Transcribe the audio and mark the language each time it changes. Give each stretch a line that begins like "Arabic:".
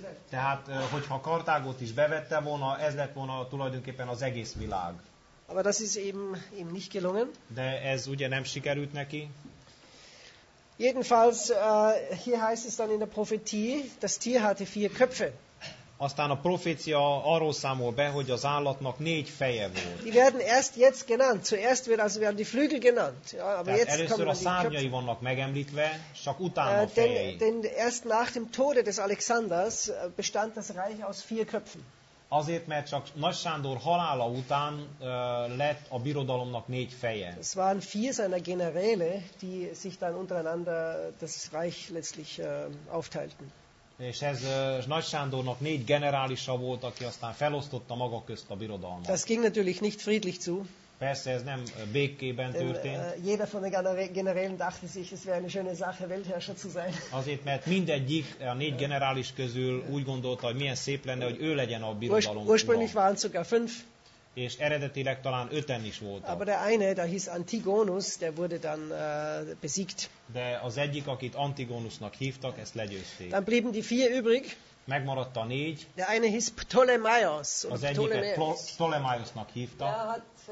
Hungarian: Tehát, hogyha Karthágót is bevette volna, ez lett volna tulajdonképpen az egész világ.
German: Aber das ist eben nicht gelungen.
Hungarian: De ez ugye nem sikerült neki.
German: Jedenfalls hier heißt es dann in der Prophetie, das Tier hatte vier Köpfe.
Hungarian: Aztán a profécia arról számol be, hogy az állatnak négy feje volt.
German: Die werden erst jetzt genannt. Zuerst werden die Flügel genannt. Ja, aber jetzt
Hungarian: először
German: kommen
Hungarian: a szárnyai vannak megemlítve, csak utána a fejei.
German: Denn erst nach dem Tode des Alexanders bestand das Reich aus vier Köpfen.
Hungarian: Azért, mert csak Nagy Sándor halála után lett a birodalomnak négy feje.
German: Es waren vier seiner Generäle, die sich dann untereinander das Reich letztlich aufteilten.
Hungarian: És ez Nagy Sándornak négy generálisa volt, aki aztán felosztotta maga közt a birodalmat.
German: Das ging natürlich nicht friedlich zu.
Hungarian: Persze, ez nem békében történt.
German: Jeder von den Generälen dachte sich, es wäre eine schöne Sache, Weltherrscher zu sein.
Hungarian: Azért, mert mindegyik a négy generális közül úgy gondolta, hogy milyen szép lenne, hogy ő legyen a birodalom.
German: Ursprünglich waren sogar fünf.
Hungarian: És eredetileg talán öten is voltak.
German: Aber der eine, der hieß Antigonus, der wurde dann besiegt.
Hungarian: De az egyik, akit Antigonusnak hívtak, ezt legyőzték.
German: Dann blieben die vier übrig.
Hungarian: Megmaradt a négy.
German: Der eine hieß Ptolemaios.
Hungarian: Az egyiket Ptolemaiosnak hívtak.